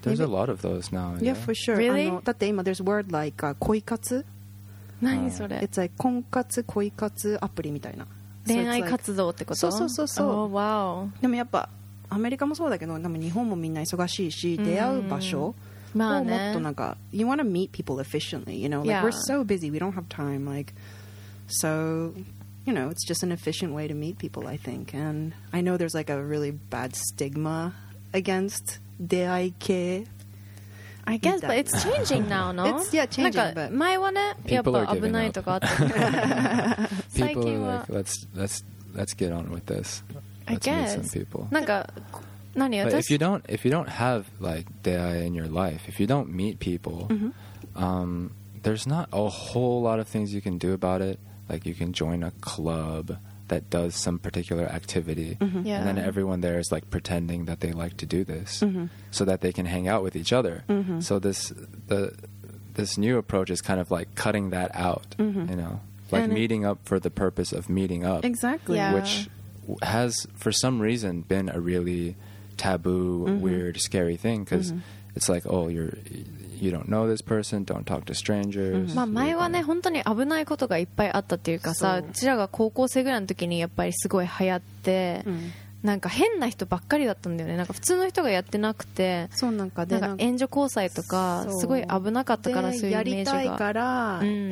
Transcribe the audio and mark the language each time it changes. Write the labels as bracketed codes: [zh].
[en] There's a lot of those now. Yeah, yeah for sure. Really? [ja] だって今 there's word like 恋活、何それ、 It's like 婚活恋活アプリみたいな恋愛活動ってこと、そうそうそう、 [en] oh, wow. [ja] でもやっぱアメリカもそうだけど日本もみんな忙しいし、mm-hmm. 出会う場所まあね、 [en] もっとなんか You want to meet people efficiently, you know? Like、yeah. we're so busy, we don't have time. Like, so, you know, it's just an efficient way to meet people, I think. And I know there's like a really bad stigma against 出会い系。 I guess, but it's changing now, no? It's, yeah, changing, なんか but... [ja] 前はね、やっぱ危ないとかあった。 [en] People are like, let's get on with this. Let's I guess. Meet some people. なんか But if you don't have like dei in your life, if you don't meet people, mm-hmm. There's not a whole lot of things you can do about it. Like you can join a club that does some particular activity, mm-hmm. yeah. and then everyone there is like pretending that they like to do this, mm-hmm. so that they can hang out with each other. Mm-hmm. So this new approach is kind of like cutting that out, mm-hmm. you know, like and meeting up for the purpose of meeting up. Exactly, yeah. which has for some reason been a really taboo, mm-hmm. weird, scary thing because mm-hmm. it's like, oh, you don't know this person, don't talk to strangers. [ja] まあ前はね本当に危ないことがいっぱいあったっていうかさ、うちらが高校生ぐらいの時にやっぱりすごい流行って、なんか変な人ばっかりだったんだよね。なんか普通の人がやってなくて、そうなんかでなんか援助交際とかすごい危なかったからそういうイメージが。やりたいから。